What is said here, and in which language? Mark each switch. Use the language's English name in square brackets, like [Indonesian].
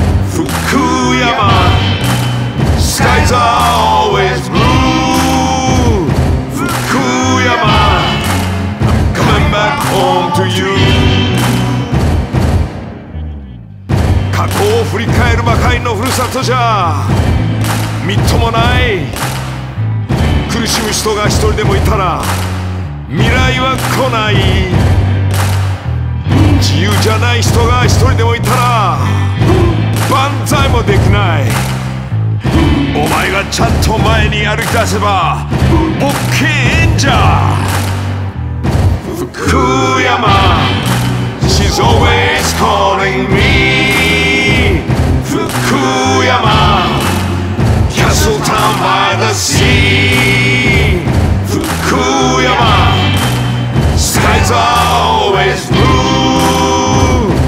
[English] 福山Skies are always blue. Fukuyama, I'm coming back home to you. [Japanese] 過去を振り返るばかりのふるさとじゃみっともない。苦しむ人が一人でもいたら未来は来ない。自由じゃない人が一人でもいたら万歳もできない。お前がちゃんと前に歩き出せば OK んじゃ。 [English] Fukuyama, she's always calling me. Fukuyama, castle town by the sea. Fukuyama, skies are always blue.